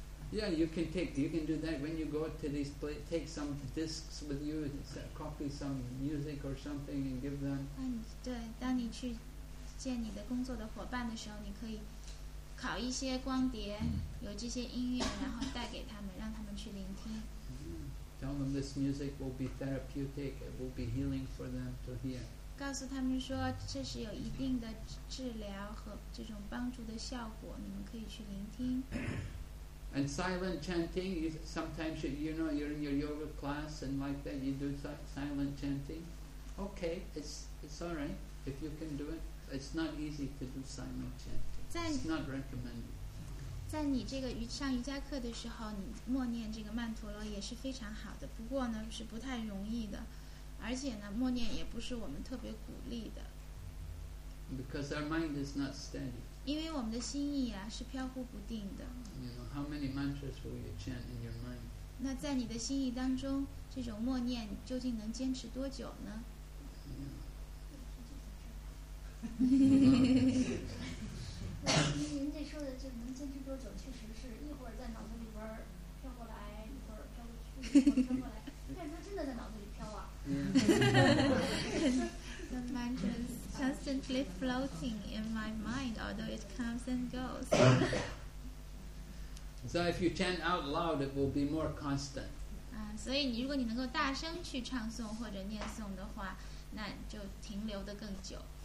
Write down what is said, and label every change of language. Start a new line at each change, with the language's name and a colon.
English: Yeah, you can do that when you go to these places, take some discs with you, copy some music or something and give them.
Chinese: 对，当你去见你的工作的伙伴的时候，你可以拷一些光碟，有这些音乐，然后带给他们，让他们去聆听。
English: Tell them this music will be therapeutic, it will be healing for them to hear.
Chinese: 告诉他们说这是有一定的治疗和这种帮助的效果，你们可以去聆听。
English: And silent chanting, sometimes you know you're in your yoga class and like that, you do silent chanting. Okay, it's all right if you can do it. It's not easy to do silent chanting. It's not recommended.
Chinese: 在你这个上瑜伽课的时候，你默念这个曼陀罗也是非常好的，不过呢是不太容易的，而且呢默念也不是我们特别鼓励的。
English: Because our mind is not steady.
Chinese: 因为我们的心意啊是飘忽不定的。
English: You know, how many mantras will you chant in your mind?
Chinese: 那在你的心意当中，这种默念究竟能坚持多久呢？
English: Yeah.
Chinese: 您这说的就能坚持多久，确实是一会儿在脑子里边飘过来，一会儿飘过去，一会儿飘过来，但是真的在脑子里飘啊。
English: The mantra is constantly floating in my mind, although it comes and goes. So if you chant out loud, it will be more constant.
Chinese: 所以你如果你能够大声去唱诵或者念诵的话，那就停留的更久。